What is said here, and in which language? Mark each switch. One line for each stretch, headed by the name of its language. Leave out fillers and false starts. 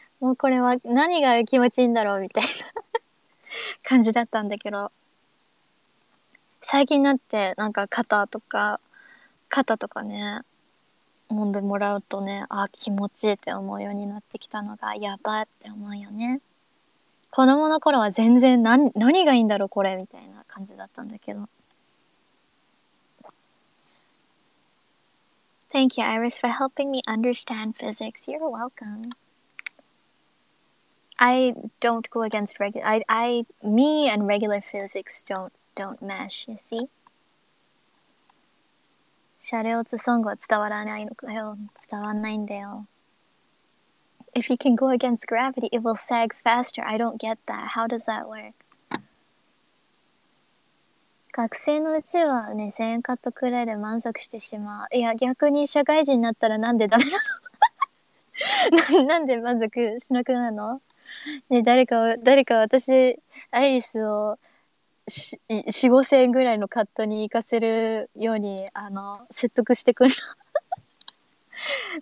Japanese: もうこれは何が気持ちいいんだろうみたいな感じだったんだけど、最近になってなんか肩とかね揉んでもらうとね、あ気持ちいいって思うようになってきたのがやばいって思うよね。子供の頃は全然何がいいんだろうこれみたいな感じだったんだけど。
English: Thank you, Iris, for helping me understand physics. You're welcome. I don't go against regular. I, me and regular physics don't mesh. You see?
Japanese: シャレオツソングは伝わらないのかよ。伝わんないんだよ。
English: If you can go against gravity, it will sag faster. I don't get that. How does that work?
Japanese: 学生のうちはね、1000円カットくらいで満足してしまう。いや、逆に社会人になったらなんでダメなの？なんで満足しなくなるの？ね、誰か私、アイリスを4、5000円ぐらいのカットに行かせるように、説得してくるの。